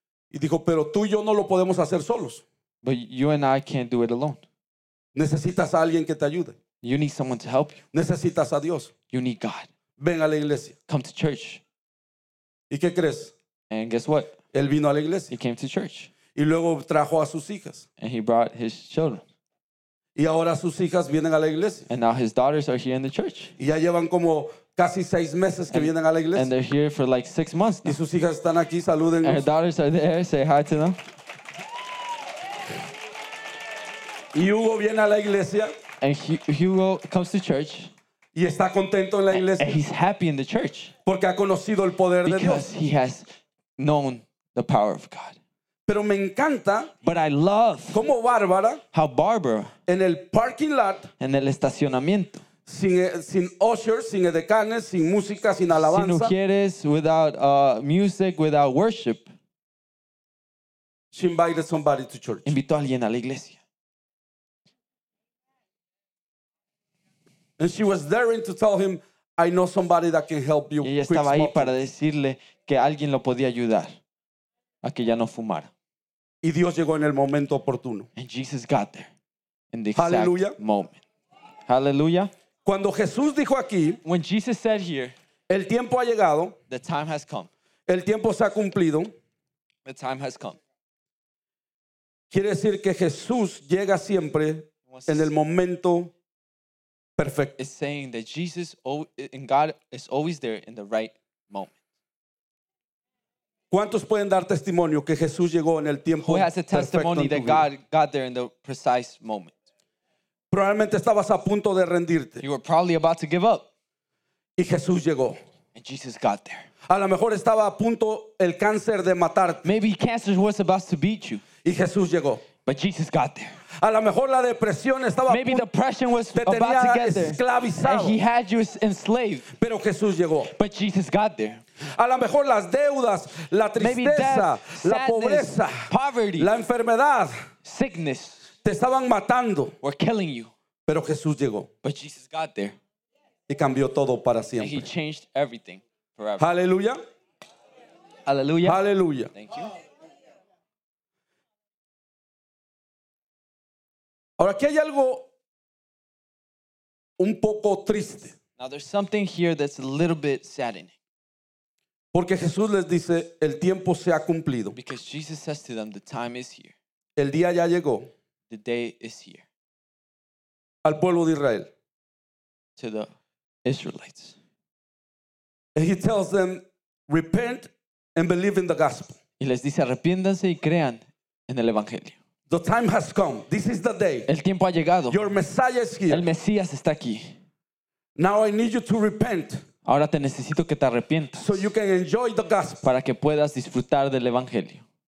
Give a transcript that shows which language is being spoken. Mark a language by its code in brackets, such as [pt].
[es] Y dijo, pero tú y yo no lo podemos hacer solos. [en] But you and I can't do it alone. [es] Necesitas a alguien que te ayude. [en] You need someone to help you. [es] Necesitas a Dios. [en] You need God. [es] Ven a la iglesia. [en] Come to church. [es] ¿Y qué crees? [en] And guess what? [es] Él vino a la iglesia. [en] He came to church. [es] Y luego trajo a sus hijas. [en] And he brought his children. [es] Y ahora sus hijas vienen a la iglesia. [en] And now his daughters are here in the church. [es] Y ya llevan como casi seis meses que vienen a la iglesia. [en] And they're here for like 6 months now. [es] Y sus hijas están aquí, salúdenlos. [en] And her daughters are there, say hi to them. [es] Y Hugo viene a la iglesia. [en] And Hugo comes to church. [es] Y está contento en la iglesia. [en] And he's happy in the church. [es] Porque ha conocido el poder [en] because [es] de Dios. [en] Because he has known the power of God. [es] Pero me encanta. [en] But I love [es] como Bárbara, [en] how Barbara [es] en el parking lot, en el estacionamiento, sin ushers, sin edecanes, sin música, sin alabanza, sin ujieres, [en] without music, without worship, she invited somebody to church. [es] Invitó a alguien a la iglesia. [en] And she was daring to tell him, I know somebody that can help you. [es] Y ella estaba ahí para decirle que alguien lo podía ayudar a que ya no fumara. Y Dios llegó en el momento oportuno. [en] And Jesus got there in the Hallelujah. Exact moment. [es] Hallelujah. Cuando Jesús dijo aquí, [en] when Jesus said here, [es] el tiempo ha llegado, [en] the time has come. [es] El tiempo se ha cumplido, [en] the time has come. [es] Quiere decir que Jesús llega siempre en el momento [en] Perfect. It's saying that Jesus and God is always there in the right moment. [es] ¿Cuántos pueden dar testimonio que Jesús llegó en el tiempo perfecto en tu vida? [en] Who has a testimony that God got there in the precise moment? [es] Probablemente estabas a punto de rendirte. [en] You were probably about to give up. [es] Y Jesús llegó. [en] And Jesus got there. [es] A lo mejor estaba a punto el cáncer de matarte. [en] Maybe cancer was about to beat you. [es] Y Jesús llegó. [en] But Jesus got there. [es] A lo mejor la depresión estaba [en] maybe [es] a [en] depression was about to get there. [es] Te tenía esclavizado. [en] And he had you enslaved. [es] Pero Jesús llegó. [en] But Jesus got there. [es] A lo mejor las deudas, la tristeza, [en] maybe death, [es] la [en] sadness, [es] pobreza, [en] poverty, [es] la enfermedad, [en] sickness, [es] te estaban matando. [en] Were killing you. [es] Pero Jesús llegó. [en] But Jesus got there. [es] Y cambió todo para siempre. [en] And he changed everything forever. [es] Aleluya. Aleluya. Aleluya. [en] Thank you. [es] Ahora aquí hay algo un poco triste. [en] Now there's something here that's a little bit saddening. [es] Porque Jesús les dice, el tiempo se ha cumplido. [en] Because Jesus says to them, the time is here. [es] El día ya llegó. [en] The day is here. [es] Al pueblo de Israel. [en] To the Israelites. And he tells them, repent and believe in the gospel. [es] Y les dice, arrepiéndanse y crean en el evangelio. [en] The time has come. This is the day. [es] El tiempo ha llegado. [en] Your Messiah is here. [es] El Mesías está aquí. [en] Now I need you to repent. [es] Ahora te necesito que te arrepientas. [en] So you can enjoy the gospel. [es] Para que puedas disfrutar del evangelio.